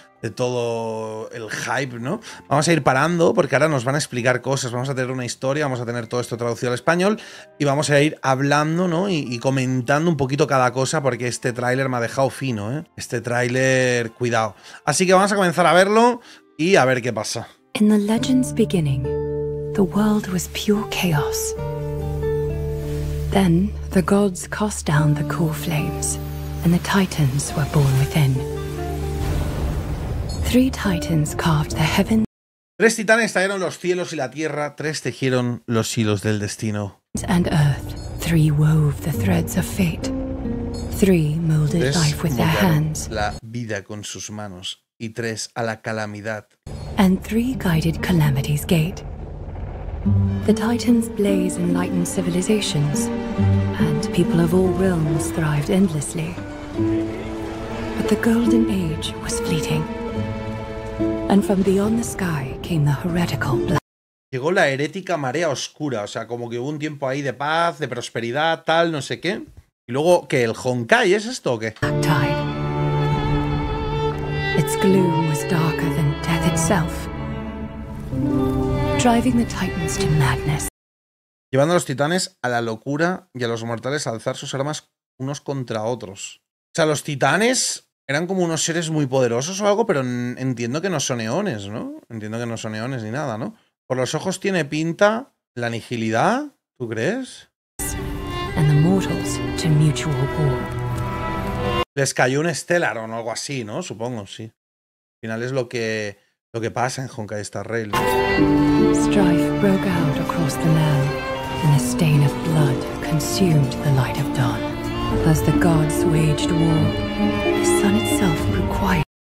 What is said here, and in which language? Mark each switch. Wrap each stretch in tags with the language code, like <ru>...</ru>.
<es>de todo el hype, ¿no? Vamos a ir parando porque ahora nos van a explicar cosas, vamos a tener una historia, vamos a tener todo esto traducido al español y vamos a ir hablando, ¿no? Y comentando un poquito cada cosa porque este tráiler me ha dejado fino, ¿eh? Este tráiler, cuidado. Así que vamos a comenzar a verlo y a ver qué pasa.</es> <en>In the legend's beginning, the world was pure chaos. Then the gods cast down the core flames and the titans were born within. Three titans carved the heaven.</en> <es>Tres titanes tallaron los cielos y la tierra, tres tejieron los hilos del destino.</es> <en>And earth, three wove the threads of fate. Three molded life with their hands.</en> <es>La vida con sus manos y tres a la calamidad.</es> <en>And three guided calamity's gate. The titans' blaze enlightened civilizations, and people of all realms thrived endlessly. But the golden age was fleeting. And from beyond the sky came the heretical black.</en> <es>Llegó la herética marea oscura, o sea, como que hubo un tiempo ahí de paz, de prosperidad, tal, no sé qué. Y luego, ¿qué? ¿El Honkai es esto o qué?</es> <en>Black tide. Its gloom was darker than death itself. Driving the titans to madness.</en> <es>Llevando a los titanes a la locura y a los mortales a alzar sus armas unos contra otros. O sea, los titanes... eran como unos seres muy poderosos o algo, pero entiendo que no son eones, ¿no? Entiendo que no son eones ni nada, ¿no? Por los ojos tiene pinta la nihilidad, ¿tú crees?</es> <en>And the mortals to mutual war.</en> <es>Les cayó un Stellar o algo así, ¿no? Supongo, sí. Al final es lo que pasa en Honkai Star Rail.</es> <en>Strife broke out across the land, and a stain of blood consumed the light of dawn. As the gods waged war, the sun itself grew quiet.</en>